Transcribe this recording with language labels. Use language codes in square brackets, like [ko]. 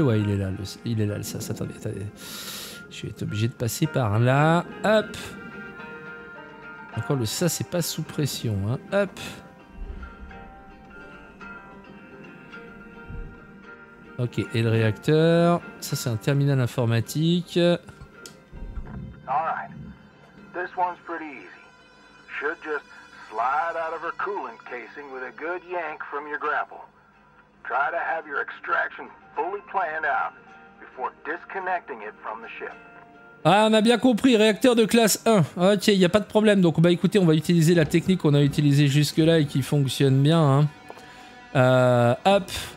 [fr] Ouais, il est là le sas. Attendez. Je vais être obligé de passer par là. Hop. Encore le sas, c'est pas sous pression. Hein. Hop. Ok, et le réacteur, ça c'est un terminal informatique. [en] Alright, this one's pretty easy. Should just slide out of her coolant casing with a good yank from your grapple. Try to have your extraction fully planned out before disconnecting it from the ship. [fr] Ah, on a bien compris, réacteur de classe 1. Ok, il n'y a pas de problème. Donc bah écoutez, on va utiliser la technique qu'on a utilisée jusque là et qui fonctionne bien. Hein. Hop.